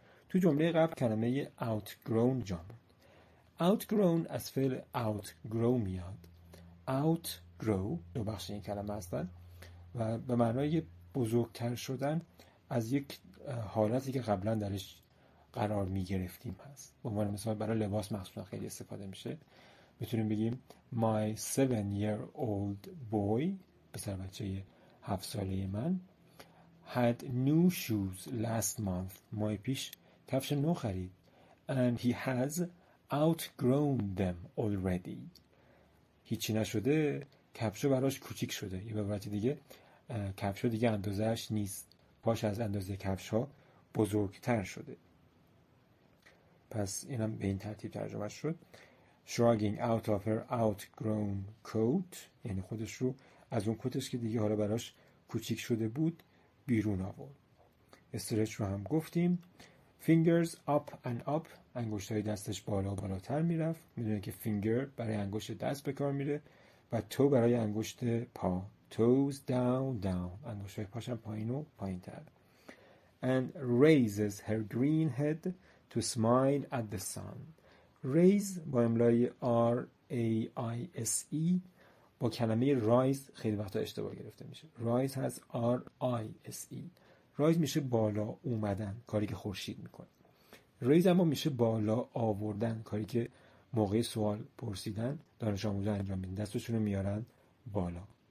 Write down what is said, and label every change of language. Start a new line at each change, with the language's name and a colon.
Persian: تو جمله قبل کلمه outgrown جا بود. outgrown از فعل outgrow میاد. outgrow دو بخش این کلمه هستن و به معنای بزرگتر شدن از یک حالتی که قبلا درش قرار می گرفتیم هست. به عنوان مثال برای لباس مخصوصا خیلی استفاده میشه. میتونیم بگیم
English: my 7-year-old boy،
Persian: پسر بچه 7 ساله من،
English: had new shoes last month.
Persian: ماه پیش کفش نو خرید.
English: and he has outgrown them already.
Persian: هیچی نشده، کفشو براش کوچیک شده. یه به عبارت دیگه کفشو دیگه اندازه‌اش نیست، پاش از اندازه کفشا بزرگتر شده. پس اینم به این ترتیب ترجمه شد.
English: shrugging out of her outgrown coat
Persian: یعنی خودش رو از اون کتش که دیگه حالا براش کوچیک شده بود بیرون آورد. استرچ رو هم گفتیم.
English: fingers up and up
Persian: انگشتای دستش بالا و بالاتر میرفت. میدونه که finger برای انگشت دست به کار میره و toe برای انگشت پا.
English: toes down
Persian: انگشت های پاشم پایین و پایین تر.
English: And raises her green head to smile at the sun.
Persian: Raise با املای R-A-I-S-E با کلمه rise خیلی وقتا اشتباه گرفته میشه.
English: Rise has R-I-S-E.
Persian: Rise میشه بالا اومدن، کاری که خورشید میکنه. Raise اما میشه بالا آوردن، کاری که موقع سوال پرسیدن دانش آموزا انجام میدن، دستشون رو میارن بالا.